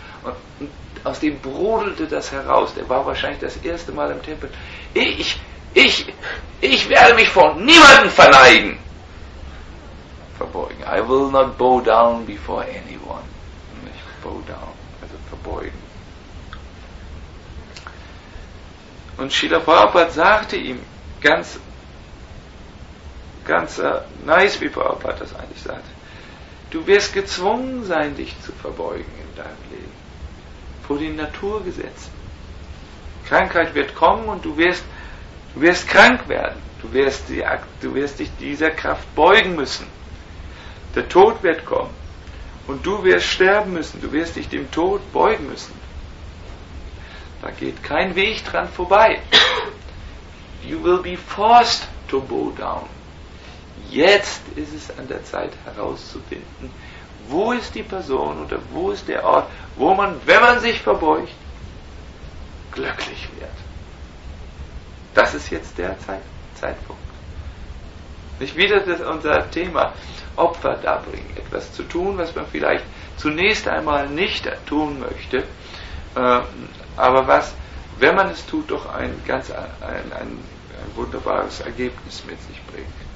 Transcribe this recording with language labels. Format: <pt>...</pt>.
<de>Und aus dem brodelte das heraus. Der war wahrscheinlich das erste Mal im Tempel. Ich werde mich vor niemandem verneigen. Verbeugen.</de> <en>I will not bow down before anyone.</en> <de>Nicht</de> <en>bow down,</en> <de>also verbeugen. Und Srila Prabhupada sagte ihm ganz nice, wie Prabhupada das eigentlich sagte, du wirst gezwungen sein, dich zu verbeugen in deinem Leben. Vor den Naturgesetzen. Krankheit wird kommen und du wirst krank werden. Du wirst dich dieser Kraft beugen müssen. Der Tod wird kommen und du wirst sterben müssen, du wirst dich dem Tod beugen müssen. Da geht kein Weg dran vorbei.</de> <en>You will be forced to bow down.</en> <de>Jetzt ist es an der Zeit herauszufinden, wo ist die Person oder wo ist der Ort, wo man, wenn man sich verbeugt, glücklich wird. Das ist jetzt der Zeitpunkt. Nicht wieder das unser Thema, Opfer darbringen, etwas zu tun, was man vielleicht zunächst einmal nicht tun möchte, aber was, wenn man es tut, doch ein wunderbares Ergebnis mit sich bringt.</de>